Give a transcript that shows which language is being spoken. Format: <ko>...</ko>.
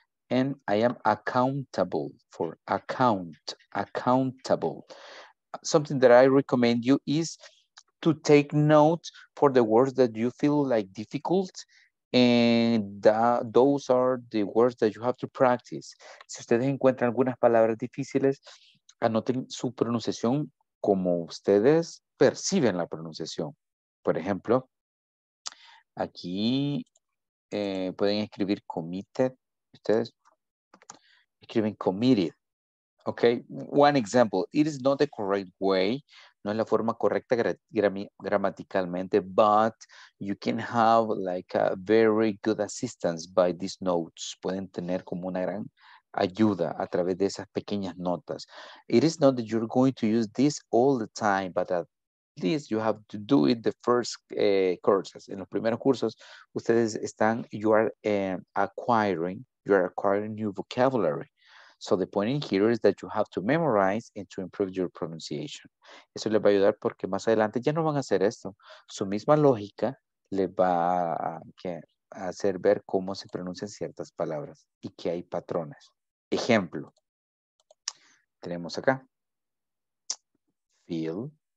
<en>And I am accountable for. Accountable. Something that I recommend you is to take note for the words that you feel like difficult, and those are the words that you have to practice.</en> <es>Si ustedes encuentran algunas palabras difíciles, anoten su pronunciación como ustedes perciben la pronunciación. Por ejemplo, aquí pueden escribir committed. Ustedes escriben</es> <en>committed. Okay, one example. It is not the correct way.</en> <es>No es la forma correcta gramaticalmente,</es> <en>but you can have like a very good assistance by these notes.</en> <es>Pueden tener como una gran ayuda a través de esas pequeñas notas.</es> <en>It is not that you're going to use this all the time, but at least you have to do it the first courses.</en> <es>En los primeros cursos, ustedes están,</es> <en>you are acquiring new vocabulary. So the point in here is that you have to memorize and to improve your pronunciation.</en> <es>Eso les va a ayudar porque más adelante ya no van a hacer esto. Su misma lógica les va a hacer ver cómo se pronuncian ciertas palabras y que hay patrones. Ejemplo. Tenemos acá. Feel.</es>